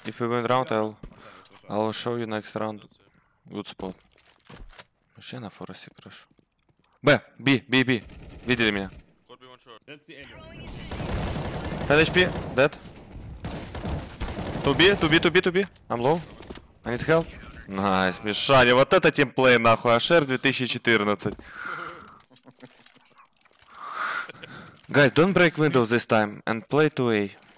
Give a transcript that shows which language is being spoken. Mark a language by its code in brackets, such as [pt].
[en] If you win round, I'll show you next round. Good spot. [ru] Вообще на форесте хорошо. Б, Б, Б, Б. Видели меня? [en] Ten HP, dead. To B. I'm low. I need help. Найс, nice. [ru] Мишаня, вот это тимплей нахуй, Ашер 2014. [en] Guys, don't break windows this time, and play 2A.